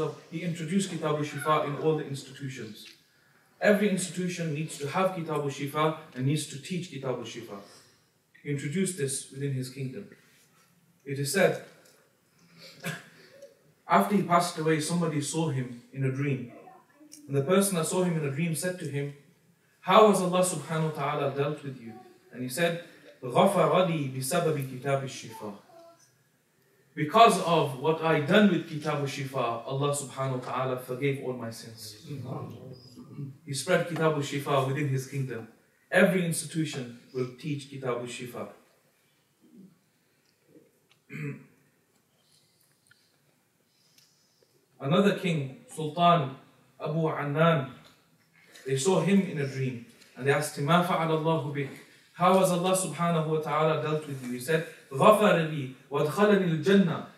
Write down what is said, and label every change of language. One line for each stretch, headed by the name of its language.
English: He introduced Kitab al-Shifa in all the institutions. Every institution needs to have Kitab al-Shifa and needs to teach Kitab al-Shifa. He introduced this within his kingdom. It is said, after he passed away, somebody saw him in a dream. And the person that saw him in a dream said to him, "How has Allah subhanahu wa ta'ala dealt with you?" And he said,
Arabic: "غَفَرَ لِي بِسَبَبِ كِتَابِ الشِّفَى."
English: Because of what I done with Kitab al-Shifa, Allah subhanahu wa ta'ala forgave all my sins. He spread Kitab al-Shifa within his kingdom. Every institution will teach Kitab al-Shifa. Another king, Sultan Abu Anan, they saw him in a dream and they asked him,
Arabic: "مَا فَعَلَ اللَّهُ بِكَ?"
English: How has Allah subhanahu wa ta'ala dealt with you? He said,
Arabic: "غَفَرَ لِي وَدْخَلَنِي الْجَنَّةِ."